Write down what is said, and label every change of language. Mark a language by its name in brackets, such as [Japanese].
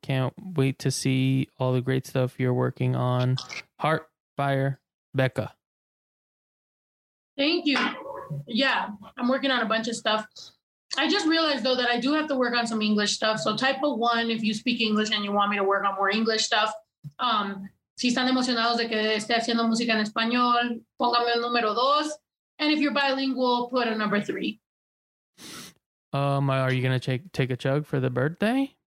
[English] Can't wait to see all the great stuff you're working on. Heart, fire, Becca. Thank you. Yeah, I'm working on a bunch of stuff. I just realized, though, that I do have to work on some English stuff. So type a one if you speak English and you want me to work on more English stuff. [Spanish] Si están emocionados de que esté haciendo música en español, póngame el número dos. [English] And if you're bilingual, put a number three. Are you going to take a chug for the birthday?